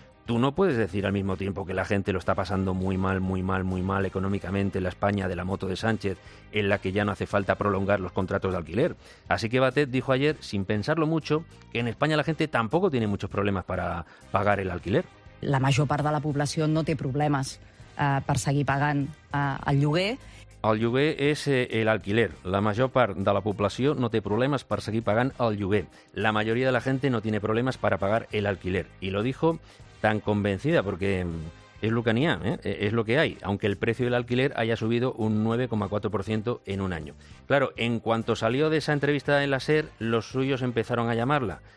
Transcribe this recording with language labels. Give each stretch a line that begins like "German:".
Spanish: tú no puedes decir al mismo tiempo que la gente lo está pasando muy mal, muy mal, muy mal económicamente en la España de la moto de Sánchez, en la que ya no hace falta prolongar los contratos de alquiler. Así que Batet dijo ayer, sin pensarlo mucho, que en España la gente tampoco tiene muchos problemas para pagar el alquiler.
Catalan: La major part de la població no té problemes per seguir pagant el lloguer. El lloguer és el alquiler. La major part de la població no té problemes per seguir pagant el lloguer. La majoria
Spanish: de la gente no tiene
Catalan: problemes per
Spanish: pagar el alquiler. I lo dijo tan convencida, porque es lo que
Catalan: n'hi ha,
Spanish: es lo que hay, aunque el precio del alquiler haya subido un 9,4% en un año. Claro, en cuanto salió de esa entrevista en la SER, los suyos empezaron a llamarla.